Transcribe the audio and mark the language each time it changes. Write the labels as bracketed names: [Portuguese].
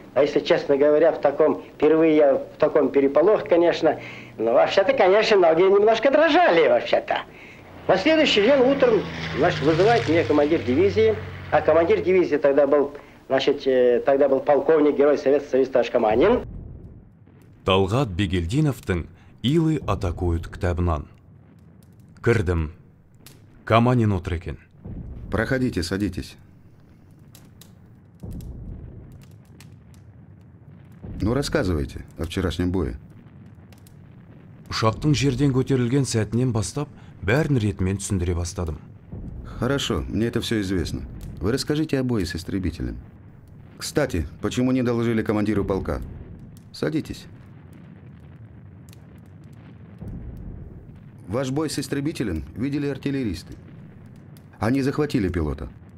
[Russian] А если честно говоря, впервые я в таком переполох, конечно. Но вообще-то, конечно, ноги немножко дрожали вообще-то. На следующий день утром, значит, вызывает меня командир дивизии. А командир дивизии тогда был, значит, тогда был полковник, герой Советского Союза, товарищ Каманин. [Kazakh] Талғат Бегелдиновтың «Илы атакуют» кітабынан. Кірдім. Каманин отыр екен. [Russian] Проходите, садитесь. Ну, рассказывайте о вчерашнем бое. [Kazakh] Ұшақтың жерден көтерілген сәтінен бастап, бәрін ретмен түсіндіре бастадым. [Russian] Хорошо, мне это все известно. Вы расскажите о бое с истребителем. Кстати, почему не доложили командиру полка? Садитесь. Ваш бой с истребителем видели артиллеристы. Они захватили пилота.